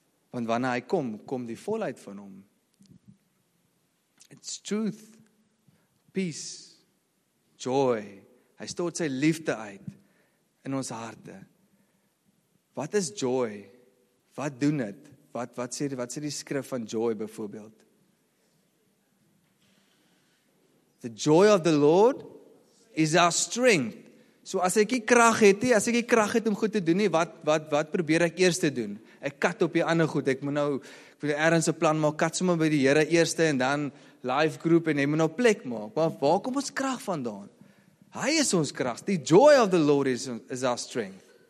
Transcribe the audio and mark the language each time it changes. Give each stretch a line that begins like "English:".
Afrikaans: Want wanneer hy kom, kom die volheid van hom.
English: It's truth.
Afrikaans: Peace, joy, hy stort sy liefde uit in ons harte. Wat is joy? Wat doen dit? Wat sê die skrif van joy byvoorbeeld?
English: The joy of the Lord is our strength.
Afrikaans: So as ek nie krag het nie, as ek nie krag het om goed te doen nie, wat probeer ek eers te doen? Ek kat op die ander goed. Ek moet ergens 'n plan maak, kat sommer by die Here eers en dan life group en hy moet nou plek maak. Maar waar kom ons krag vandaan? Hy is ons krag.
English: The joy of the Lord is our strength.